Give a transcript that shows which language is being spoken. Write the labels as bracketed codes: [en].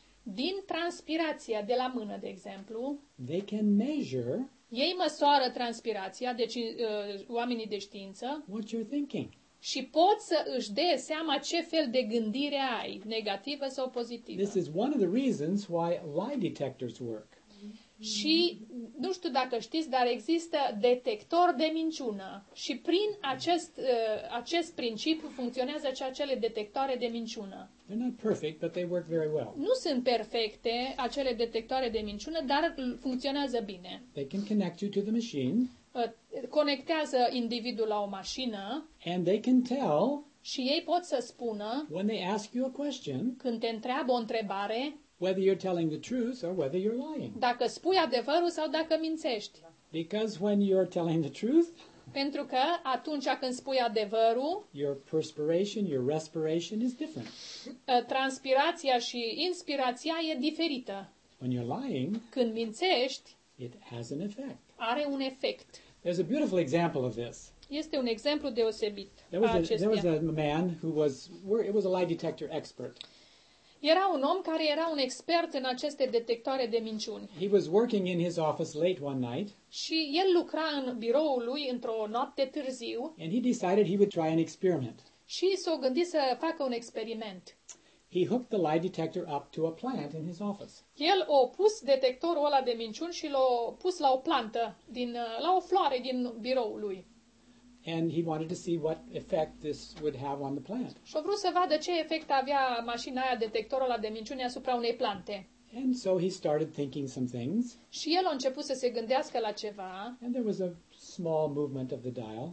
[ro] din transpirația de la mână, de exemplu, [en] they can measure, [ro] ei măsoară transpirația, deci oamenii de știință, [en] what you're thinking. [ro] Și pot să își dea seama ce fel de gândire ai, negativă sau pozitivă. [en] This is one of the reasons why lie detectors work. [ro] Și nu știu dacă știți, dar există detector de minciună. Și prin acest principiu funcționează și acele detectoare de minciună. [en] They're not perfect, but they work very well. [ro] Nu sunt perfecte acele detectoare de minciună, dar funcționează bine. [en] They can connect you to the machine. [ro] Conectează individul la o mașină. [en] And they can tell. [ro] Și ei pot să spună. [en] When they ask you a question. [ro] Când te întreabă o întrebare. [en] Whether you're telling the truth or whether you're lying. [ro] Dacă spui adevărul sau dacă mințești. [en] Because when you're telling the truth. [ro] Pentru că atunci când spui adevărul. [en] Your perspiration, your respiration is different. [ro] Transpirația și inspirația e diferită. [en] When you're lying. [ro] Când mințești. [en] It has an effect. [ro] Are un efect. [en] There's a beautiful example of this. [ro] Este un exemplu deosebit. [en] It was a lie detector expert. [ro] Era un om care era un expert în aceste detectoare de minciuni. [en] He was working in his office late one night. [ro] Și el lucra în biroul lui într-o noapte târziu. [en] And he decided he would try an experiment. [ro] Și s-a gândit să facă un experiment. [en] He hooked the lie detector up to a plant in his office. [ro] El a pus detectorul ăla de minciuni și l-a pus la o plantă din la o floare din biroul lui. [en] And he wanted to see what effect this would have on the plant. [ro] Și-a vrut să vadă ce efect avea mașina aia, detectorul ăla de minciuni asupra unei plante. [en] And so he started thinking some things. [ro] Și el a început să se gândească la ceva. [en] And there was a small movement of the dial.